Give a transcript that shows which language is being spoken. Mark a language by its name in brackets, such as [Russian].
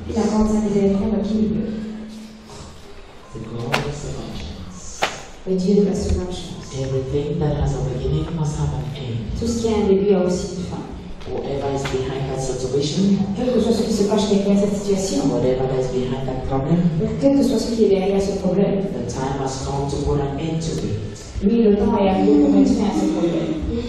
[French] Il a grand sa miséricorde à qui il veut. [English] The God is a vengeance. [French] Le Dieu de la vengeance. [English] Everything that has a beginning must have an end. [French] Tout ce qui a un début a aussi une fin. [English] Whatever is behind that situation. [French] Quel que soit ce qui se cache derrière cette situation. [English] And whatever is behind that problem. [French] Quel que soit ce qui est derrière ce problème. [English] The time has come to put an end to it. [French] Oui, le temps est arrivé pour mettre fin à ce problème.